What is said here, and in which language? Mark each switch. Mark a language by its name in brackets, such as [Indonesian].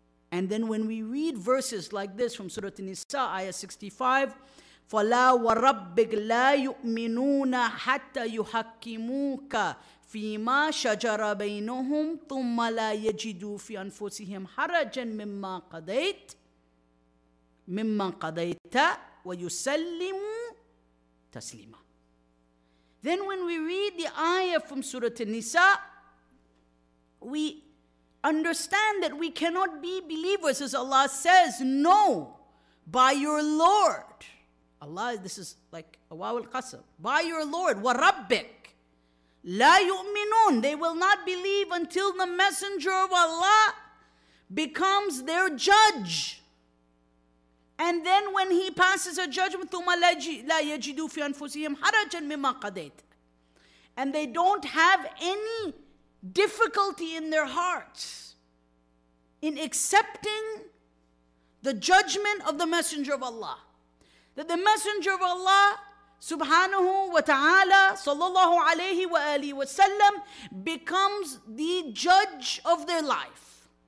[English] And then when we read verses like this from Surah An-Nisa, ayah 65, [Arabic] فَلَا وَرَبِّكَ لَا يُؤْمِنُونَ حَتَّى يُحَكِّمُوكَ فِيمَا شَجَرَ بَيْنُهُمْ ثُمَّ لَا يَجِدُوا فِي أَنفُسِهِمْ حَرَجًا مِمَّا قَضَيْتَ وَيُسَلِّمُوا تَسْلِيمًا. [English] Then when we read the ayah from Surah An-Nisa, we understand that we cannot be believers, as Allah says, no, by your Lord. Allah, this is like a waw al-qasam. By your Lord, wa rabbik. La yu'minun, they will not believe until the Messenger of Allah becomes their judge. And then when he passes a judgment, [Arabic] ثُمَّ لَا يَجِدُوا فِي أَنفُسِهِمْ حَرَجًا مِمَّا قَدَيْتَ. [English] And they don't have any difficulty in their hearts in accepting the judgment of the Messenger of Allah. That the Messenger of Allah, subhanahu wa ta'ala, sallallahu alayhi wa alihi wa sallam, becomes the judge of their life.